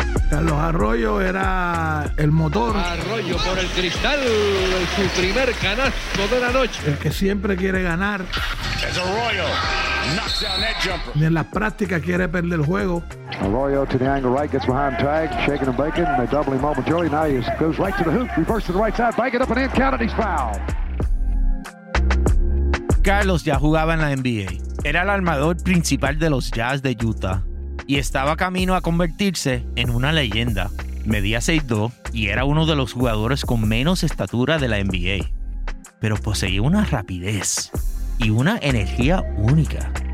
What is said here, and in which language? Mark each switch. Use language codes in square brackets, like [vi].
[es] Carlos Arroyo era el motor. Arroyo por el cristal, su primer canasto de la noche. El que siempre quiere ganar. Es Arroyo. Ni en las prácticas quiere perder el juego. [en] Arroyo to the angle right, gets behind tag, shaking and baking, they double him over Joey. Now he goes right to the hoop, reverse to the right side, bake it up and in, count it, he's foul. [es] Carlos ya jugaba en la NBA. Era el armador principal de los Jazz de Utah. Y estaba camino a convertirse en una leyenda. Medía 6'2 y era uno de los jugadores con menos estatura de la NBA. Pero poseía una rapidez y una energía única.